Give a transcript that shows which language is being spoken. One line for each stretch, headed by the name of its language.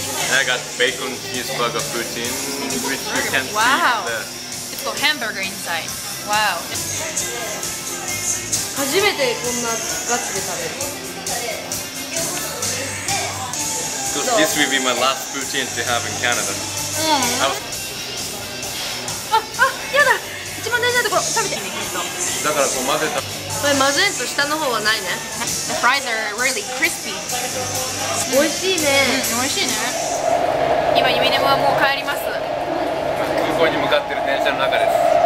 English: And I got bacon cheeseburger poutine, which you can see there. It's got hamburger inside. Wow.
Japanese: 初めてこんなガチで食べる。
English: This will be my last poutine to have in Canada.
Japanese: やだ、一番大事なところ食べて。だからこう混ぜた。これ混ぜると下の方はないね。
English: The fries are really crispy.
Japanese: 美味しいね、美味しいね。今ユミネムはもう帰ります。空港に向かってる電車の中です。